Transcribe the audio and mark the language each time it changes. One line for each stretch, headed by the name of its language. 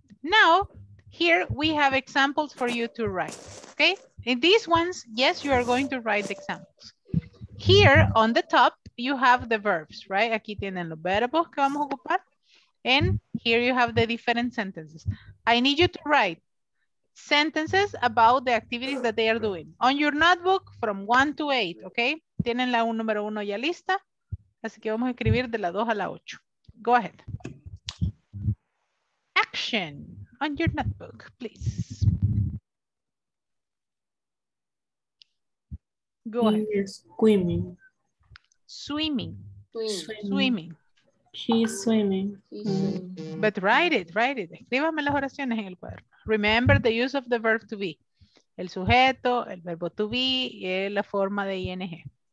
English: Now, here we have examples for you to write, okay? In these ones, yes, you are going to write the examples. Here on the top, you have the verbs, right?
Spanish: Aquí tienen los verbos que vamos a ocupar.
English: And here you have the different sentences. I need you to write sentences about the activities that they are doing. On your notebook, from 1 to 8, okay?
Spanish: Tienen la número uno ya lista. Así que vamos a escribir de la 2 a la 8.
English: Go ahead. Action on your notebook, please. Go ahead. Swimming. Swimming. Swimming. She's swimming.
Spanish: Mm.
English: But write it, write it.
Spanish: Escríbame las oraciones en el cuaderno.
English: Remember the use of the verb to be.
Spanish: El sujeto, el verbo to be y la forma de ing.